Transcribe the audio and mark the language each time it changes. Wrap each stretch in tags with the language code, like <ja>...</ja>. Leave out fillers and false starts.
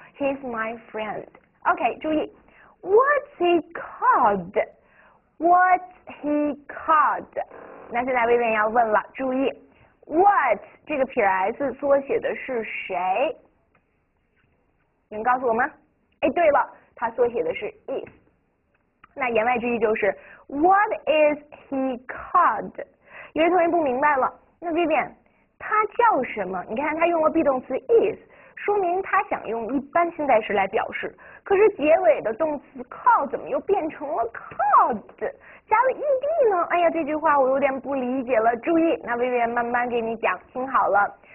<en>He's my friend。 OK，</en> <zh>注意，</zh> <en>What's he called？What's he called？</en> <zh>那现在薇薇要问了，注意，What 这个撇 s 缩写的是谁？你能告诉我吗？哎，对了，它缩写的是 is。那言外之意就是，</zh> <en>What is he called？</en> <zh>有些同学不明白了，那薇薇。他叫什么？你看他用了 be 动词 is，说明他想用一般现在时来表示。可是结尾的动词 call 怎么又变成了 called，加了 ed 呢？哎呀，这句话我有点不理解了。注意，那薇薇慢慢给你讲，听好了。</zh>